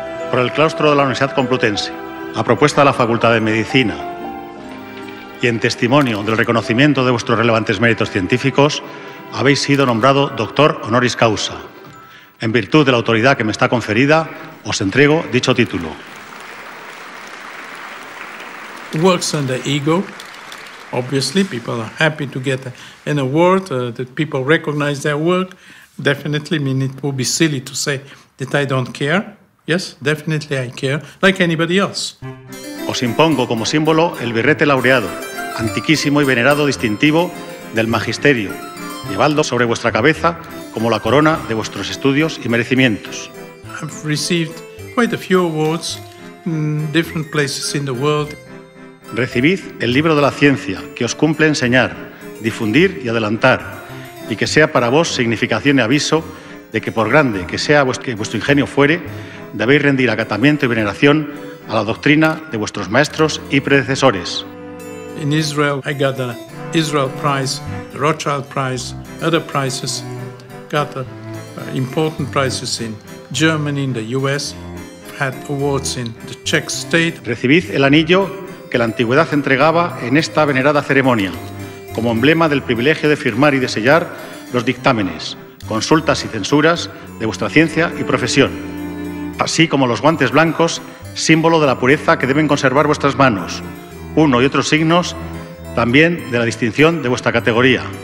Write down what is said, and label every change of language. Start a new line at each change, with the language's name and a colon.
Spanish: por el claustro de la Universidad Complutense, a propuesta de la Facultad de Medicina y en testimonio del reconocimiento de vuestros relevantes méritos científicos, habéis sido nombrado doctor honoris causa. En virtud de la autoridad que me está conferida, os entrego dicho título.
English: Works on the ego. Obviously, people are happy to get an award, that people recognize their work. Definitely, I mean, it would be silly to say that I don't care. Yes, definitely I care, like anybody else.
Spanish: Os impongo como símbolo el birrete laureado, antiquísimo y venerado distintivo del magisterio, llevadlo sobre vuestra cabeza como la corona de vuestros estudios y merecimientos.
English: I've received quite a few awards in different places in the world.
Spanish: Recibid el libro de la ciencia que os cumple enseñar, difundir y adelantar, y que sea para vos significación y aviso de que por grande que sea vuestro ingenio fuere, debéis rendir acatamiento y veneración a la doctrina de vuestros maestros y predecesores.
English: In Israel, I got the Israel Prize, the Rothschild Prize, other prizes, got important prizes in Germany, in the US, had awards in the Czech state.
Spanish: Recibid el anillo que la antigüedad entregaba en esta venerada ceremonia, como emblema del privilegio de firmar y de sellar los dictámenes, consultas y censuras de vuestra ciencia y profesión, así como los guantes blancos, símbolo de la pureza que deben conservar vuestras manos, uno y otros signos también de la distinción de vuestra categoría.